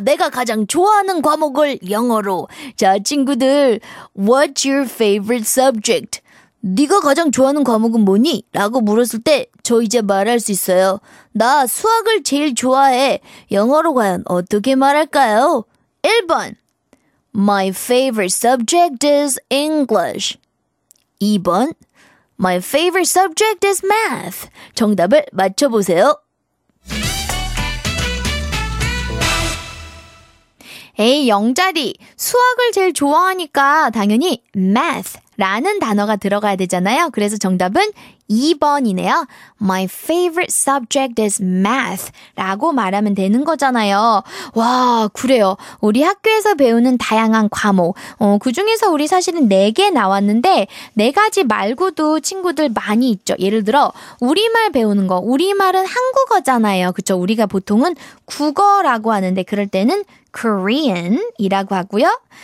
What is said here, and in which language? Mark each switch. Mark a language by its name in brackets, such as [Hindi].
[Korean] 내가 가장 좋아하는 과목을 영어로. 자, 친구들, [English] What's your favorite subject? [Korean] 네가 가장 좋아하는 과목은 뭐니? 라고 물었을 때 저 이제 말할 수 있어요. 나 수학을 제일 좋아해. 영어로 과연 어떻게 말할까요? [English] 1번, My favorite subject is English. 2번, My favorite subject is math. [Korean] 정답을 맞춰보세요. 에이, 영자리, 수학을 제일 좋아하니까 당연히 math라는 단어가 들어가야 되잖아요. 그래서 정답은 2번이네요. [English] My favorite subject is math [Korean] 라고 말하면 되는 거잖아요. 와, 그래요. 우리 학교에서 배우는 다양한 과목, 그 중에서 우리 사실은 4개 나왔는데 4가지 말고도 친구들 많이 있죠. 예를 들어 우리말 배우는 거, 우리말은 한국어잖아요. 그렇죠? 우리가 보통은 국어라고 하는데 그럴 때는 Korean이라고 하고요.